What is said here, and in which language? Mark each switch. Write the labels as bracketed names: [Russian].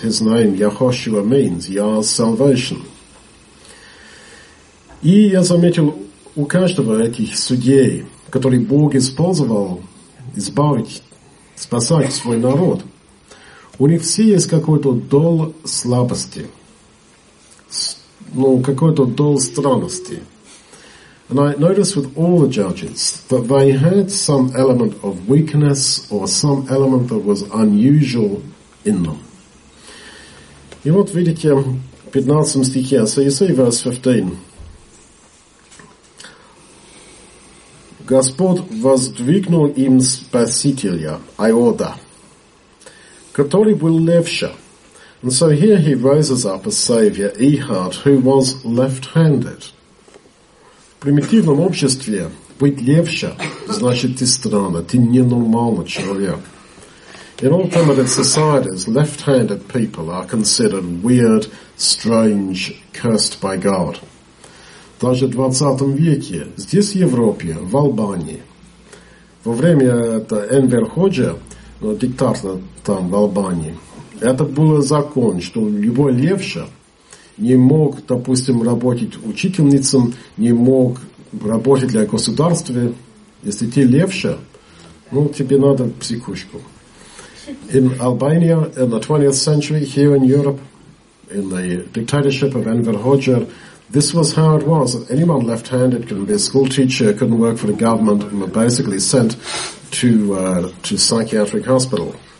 [English] His name, Яхошуа, means Yah's salvation. [Russian] И я заметил, у каждого этих судей, который Бог использовал избавить, спасать свой народ, у них все есть какой-то дол слабости, ну, какой-то дол странности. [English] And I noticed with all the judges that they had some element of weakness or some element that was unusual in them. [Russian] И вот видите, в 15 стихе, [English] so you see verse 15. [Russian] Господь воздвигнул им спасителя, Иода, который был левша. [English] And so here he raises up a savior, Ehud, who was left-handed. [Russian] В примитивном обществе быть левша значит ты странно, ты ненормальный человек. [English] In all primitive societies, left-handed people are considered weird, strange, cursed by God. [Russian] Даже в 20 веке, здесь в Европе, в Албании, во время это Энвер Ходжа, диктатора там в Албании, это был закон, что любой левша не мог, допустим, работать учительницам, не мог работать для государства. Если ты левша, ну, тебе надо психушку. [English] In Albania, in the 20th century, here in Europe, in the dictatorship of Enver Hoxha, this was how it was. Anyone left-handed couldn't be a school teacher, couldn't work for the government, and were basically sent to psychiatric hospital.